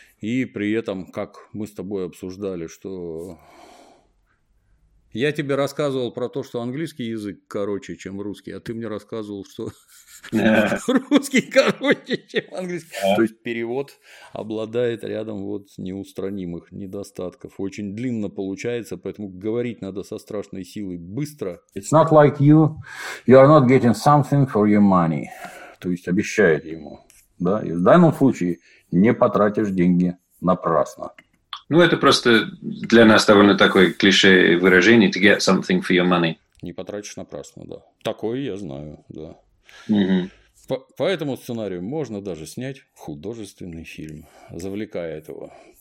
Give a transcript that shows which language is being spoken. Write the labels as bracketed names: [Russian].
[Russian] И при этом, как мы с тобой обсуждали, что я тебе рассказывал про то, что английский язык короче, чем русский, а ты мне рассказывал, что русский короче, чем английский. То есть перевод обладает рядом вот неустранимых недостатков. Очень длинно получается, поэтому говорить надо со страшной силой быстро. [English] It's not like you. You are not getting something for your money. [Russian] То есть обещает ему. Да? И в данном случае не потратишь деньги напрасно. Ну, это просто для нас довольно такое клише выражение [English] «to get something for your money». [Russian] Не потратишь напрасно, да. Такое я знаю, да. Угу. По этому сценарию можно даже снять художественный фильм, завлекая этого.